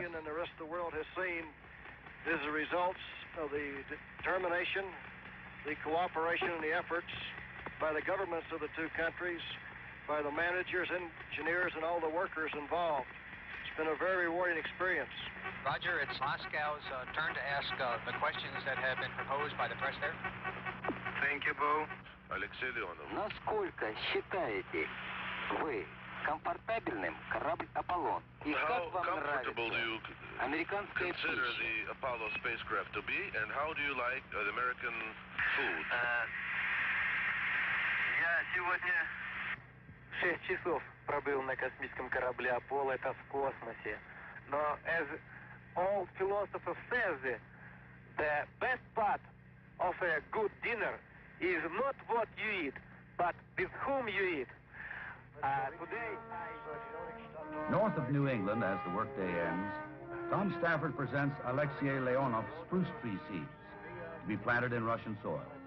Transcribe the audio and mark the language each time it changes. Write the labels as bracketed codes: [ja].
[en] The Soviet Union and the rest of the world has seen is the results of the determination, the cooperation, and the efforts by the governments of the two countries, by the managers, engineers, and all the workers involved. It's been a very rewarding experience. Roger, it's Moscow's turn to ask the questions that have been proposed by the press there. Thank you, Bo. [ru] Алексей Леонов. Насколько считаете вы комфортабельным корабль Аполлон? [en] How comfortable do you consider the Apollo spacecraft to be, and how do you like the American food? [ru] Я сегодня 6 часов пробыл на космическом корабле Apollo, это в космосе. [en] Но as all philosophers say, the best part of a good dinner is not what you eat, but with whom you eat. Today. North of New England, as the workday ends, Tom Stafford presents Alexei Leonov's spruce tree seeds to be planted in Russian soil.